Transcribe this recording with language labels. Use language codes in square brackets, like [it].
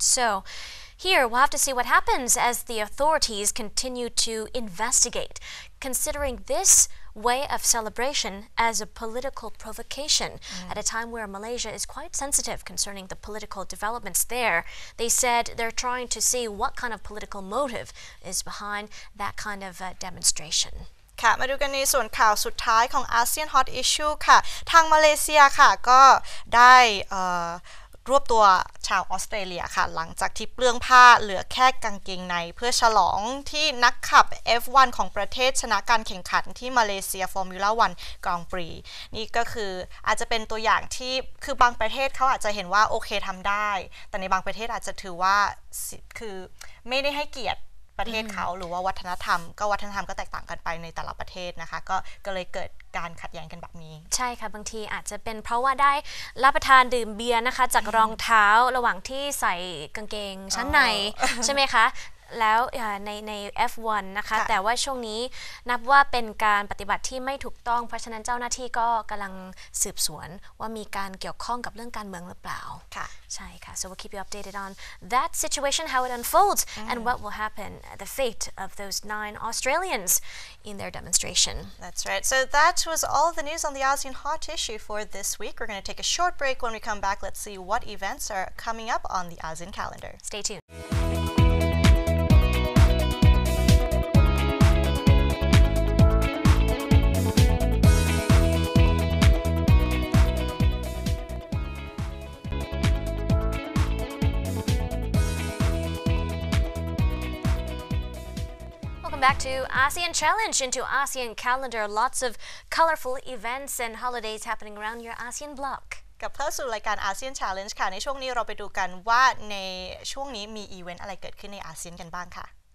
[en] So here, we'll have to see what happens as the authorities continue to investigate, considering this way of celebration as a political provocation. Mm. At a time where Malaysia is quite sensitive concerning the political developments there, they said they're trying to see what kind of political motive is behind that kind of demonstration. [th] ค่ะมาดูกันในส่วนข่าวสุดท้ายของ ASEAN Hot Issue ค่ะทางมาเลเซียค่ะก็ได้รวบตัวชาวออสเตรเลียค่ะหลังจากที่เปลื้องผ้าเหลือแค่กางเกงในเพื่อฉลองที่นักขับ F1 ของประเทศชนะการแข่งขันที่มาเลเซียฟอร์มูล่า1กรองปรีนี่ก็คืออาจจะเป็นตัวอย่างที่คือบางประเทศเขาอาจจะเห็นว่าโอเคทำได้แต่ในบางประเทศอาจจะถือว่า คือไม่ได้ให้เกียรติประเทศเขาหรือว่าวัฒนธรรมก็วัฒนธรรมก็แตกต่างกันไปในแต่ละประเทศนะคะก็เลยเกิดการขัดแย้งกันแบบนี้ ใช่ค่ะบางทีอาจจะเป็นเพราะว่าได้รับประทานดื่มเบียร์นะคะจากรองเท้าระหว่างที่ใส่กางเกงชั้นในใช่ไหมคะแล้วใน F1 นะคะแต่ว่าช่วงนี้นับว่าเป็นการปฏิบัติที่ไม่ถูกต้องเพราะฉะนั้นเจ้าหน้าที่ก็กำลังสืบสวนว่ามีการเกี่ยวข้องกับเรื่องการเมืองหรือเปล่า ค่ะ ใช่ค่ะ [en] so we'll keep you updated on that situation how it unfolds and what will happen the fate of those 9 Australians in their demonstration that's right so that was all the news on the ASEAN hot issue for this week we're going to take a short break when we come back let's see what events are coming up on the ASEAN calendar stay tuned Thank you. back to ASEAN Challenge into ASEAN Calendar. Lots of colorful events and holidays happening around your ASEAN block. [th] กับเพิ่มสู่รายการ ASEAN Challenge ค่ะในช่วงนี้เราไปดูกันว่าในช่วงนี้มีอีเวนต์อะไรเกิดขึ้นในอาเซียนกันบ้างค่ะ